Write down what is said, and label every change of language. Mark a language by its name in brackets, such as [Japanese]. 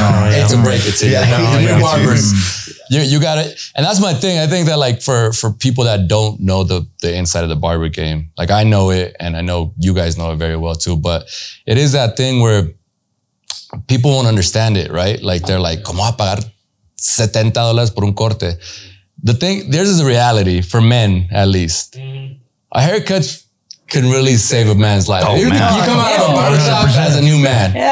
[English] It's a break. It's a barbers. You got it. And that's my thing. I think that like for people that don't know the inside of the barber game, like I know it and I know you guys know it very well too, but it is that thing where people won't understand it, right? Like they're like, [Spanish] ¿cómo va a pagar $70 por un corte? [English] The thing, there's this reality for men at least. A haircut can really save a man's life. Oh, man. You come out of a barbershop as a new man.